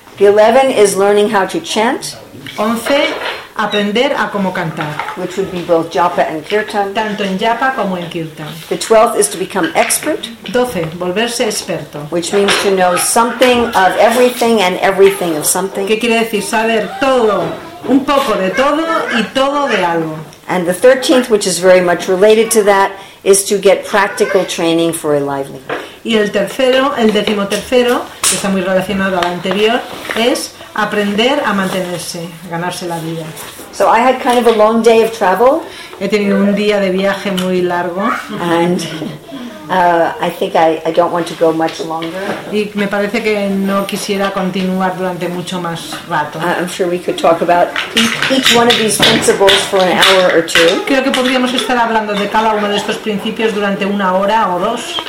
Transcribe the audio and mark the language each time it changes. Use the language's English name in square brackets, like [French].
[English] The 11 is learning how to chant. [Spanish] 11, aprender a cómo cantar. [English] Which would be both japa and kirtan. [Spanish] Tanto en japa como en kirtan. [English] The 12th is to become expert. [Spanish] 12, volverse experto. [English] Which means to know something of everything and everything of something. [Spanish] ¿Qué quiere decir? Saber todo, un poco de todo y todo de algo. [English] And the 13th, which is very much related to that, is to get practical training for a livelihood. [Spanish] Y el decimotercero, que está muy relacionado al anterior, es aprender a mantenerse, ganarse la vida. [English] So I had kind of a long day of travel. [Spanish] He tenido un día de viaje muy largo. [English] And I think I don't want to go much longer. [Spanish] Y me parece que no quisiera continuar durante mucho más rato. [English] I'm sure we could talk about each one of these principles for an hour or two. [Spanish] Creo que podríamos estar hablando de cada uno de estos principios durante una hora o dos.